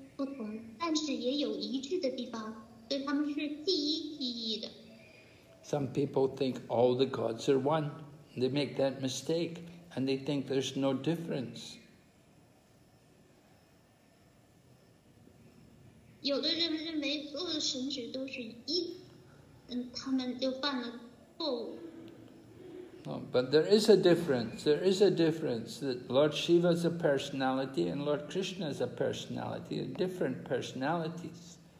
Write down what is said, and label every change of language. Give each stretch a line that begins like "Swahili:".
Chinese: 不同，但是也有一致的地方，所以他们是第一记忆的。
English: Some people think all the gods are one. They make that mistake, and they think there's no difference.
Chinese: 有的人认为所有的神祇都是一，他们就犯了错误。
English: Oh, but there is a difference. There is a difference that Lord Shiva is a personality and Lord Krishna is a personality, and different personalities.